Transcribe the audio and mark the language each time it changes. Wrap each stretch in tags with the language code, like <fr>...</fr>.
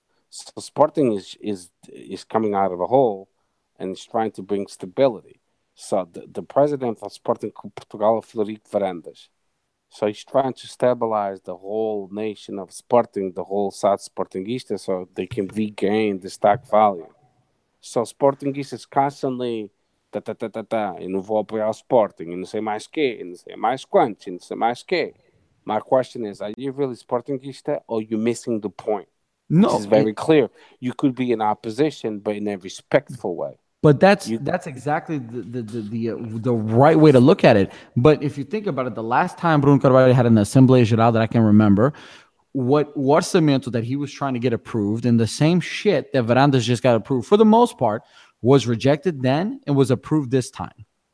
<en>So Sporting is coming out of a hole and is trying to bring stability. So the president of Sporting Portugal, Florico Varandas. So he's trying to stabilize the whole nation of Sporting, the whole South Sportingista, so they can regain the stock value. So Sportingista is constantly</en> <pt>ta-ta-ta-ta-ta, e não vou apoiar o Sporting, e não sei mais que, e não sei mais quanto, e não sei mais que.</pt> <en>My question is, are you really Sportingista, or are you missing the point? No. This is very clear. You could be in opposition, but in a respectful way. But that's exactly the right way to look at it. But if you think about it, the last time Bruno Carvalho had an Assembleia Geral that I can remember, what orçamento that he was trying to get approved, and the same shit that Varandas just got approved, for the most part, was rejected then and was approved this time.</en>